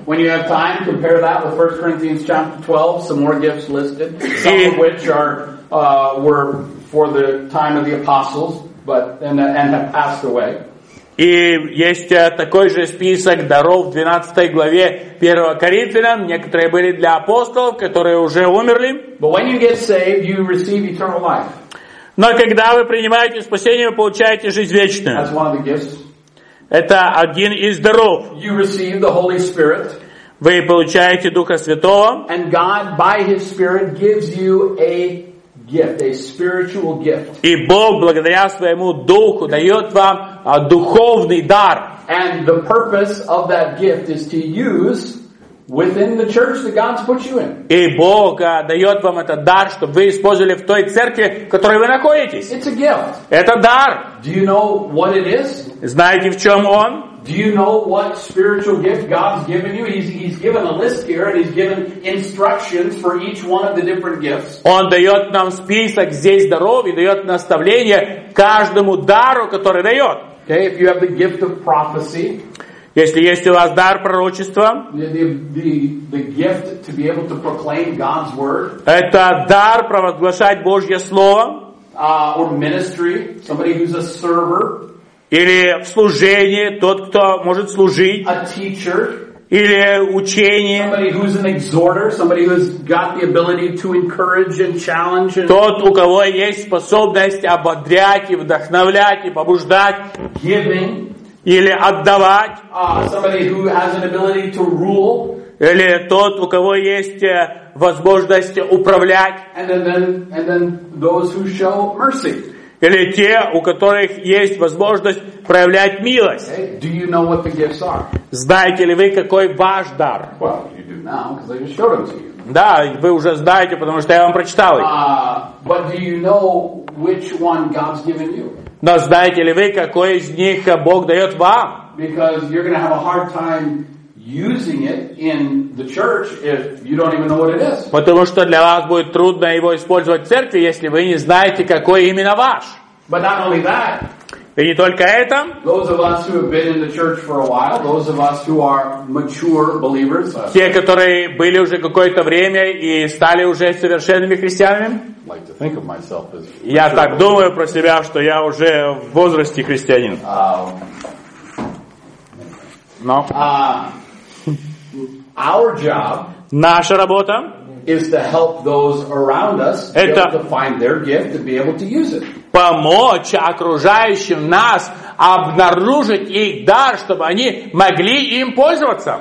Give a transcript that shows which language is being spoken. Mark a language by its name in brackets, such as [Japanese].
[English] When you have time, compare that with 1 Corinthians chapter 12, some more gifts listed, some of which are were for the time of the apostles, but and have passed away. [Russian] И есть такой же список даров в 12 главе 1 Коринфянам. Некоторые были для апостолов, которые уже умерли. [English] But when you get saved, you receive eternal life. [Russian] Но когда вы принимаете спасение, вы получаете жизнь вечную. [English] That's one of the gifts. [Russian] Это один из даров. [English] You receive the Holy Spirit. [Russian] Вы получаете Духа Святого. [English] And God, by His Spirit, gives you a gift, a spiritual gift. [Russian] И Бог, благодаря своему Духу, дает вам духовный дар. [English] And the purpose of that gift is to use within the church that God's put you in. [Russian] И Бог дает вам этот дар, чтобы вы использовали в той церкви, в которой вы находитесь. [English] It's a gift. [Russian] Это дар. [English] Do you know what it is? [Russian] Знаете, в чем он? [English] Do you know what spiritual gift God's given you? He's given a list here, and He's given instructions for each one of the different gifts. [Russian] Он дает нам список здесь даров и дает наставление каждому дару, который дает. [English] Okay, if you have the gift of prophecy, [Russian] если есть у вас дар пророчества, [English] the gift to be able to proclaim God's word, [Russian] это дар провозглашать Божье слово. [English] Or ministry, somebody who's a server. [Russian] Или в служении, тот, кто может служить. [English] A teacher. [Russian] Или учение. [English] Somebody who's an exhorter, somebody who's got the ability to encourage and challenge. [Russian] Тот, у кого есть способность ободрять и вдохновлять и побуждать. [English] Giving. [Russian] Или отдавать. [English] Somebody who has an ability to rule. [Russian] Или тот, у кого есть возможность управлять. [English] And then those who show mercy. [Russian] Или те, у которых есть возможность проявлять милость. [English] Do you know what the gifts are? [Russian] Знаете ли вы, какой ваш дар? [English] Well, you do now, 'cause I just showed them to you. [Russian] Да, вы уже знаете, потому что я вам прочитал их. [English] But do you know which one God's given you? [Russian] Но знаете ли вы, какой из них Бог дает вам? [English] Because you're going to have a hard time using it in the church if you don't even know what it is. [Russian] Потому что для вас будет трудно его использовать в церкви, если вы не знаете, какой именно ваш. [English] But not only that. [Russian] И не только это. [English] Those of us who have been in the church for a while, those of us who are mature believers. [Russian] Те, которые были уже какое-то время и стали уже совершенными христианами. [English] Like to think of myself as. [Russian] Я так думаю про себя, что я уже в возрасте христианин. Но. [English] Our job, [Russian] наша работа, [English] is to help those around us be able to find their gift and be able to use it. [Russian] Помочь окружающим нас обнаружить их дар, чтобы они могли им пользоваться.